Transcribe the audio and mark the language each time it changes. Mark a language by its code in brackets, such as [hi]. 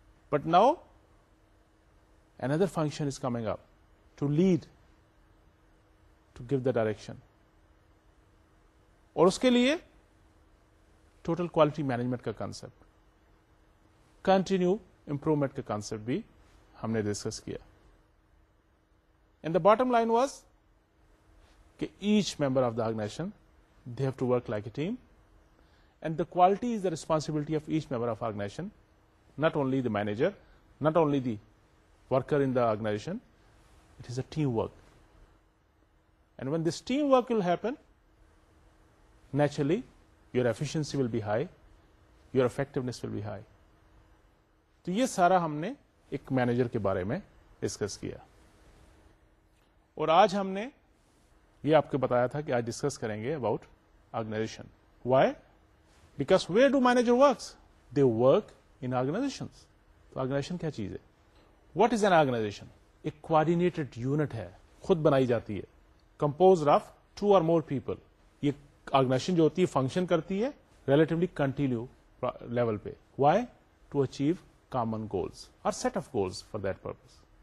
[en] But now اندر function is coming up, to lead, to give the direction. [ur] اور اس کے لیے total quality management کا concept, continue improvement کا concept بھی ہم نے ڈسکس کیا. [en] And the bottom line was that each member of the organization, they have to work like a team, and the quality is the responsibility of each member of organization, not only the manager, not only the worker in the organization, it is a teamwork. And when this teamwork will happen, naturally your efficiency will be high, your effectiveness will be high. [ur] To ye sara humne ek manager ke bare mein discuss kiya. اور آج ہم نے یہ آپ کو بتایا تھا کہ آج ڈسکس کریں گے about organization. [en] Why? Because where do manager works? They work in organization. [ur] تو آرگنائزیشن کیا چیز ہے؟ [en] What is an organization? [ur] ایک کوآرڈینیٹڈ یونٹ ہے، خود بنائی جاتی ہے، [en] Compose of two or more people. [ur] یہ آرگنائزیشن جو ہوتی ہے فنکشن کرتی ہے ریلیٹیولی کنٹینیو لیول پہ. [en] Why? To achieve common goals اور set of goals for that purpose.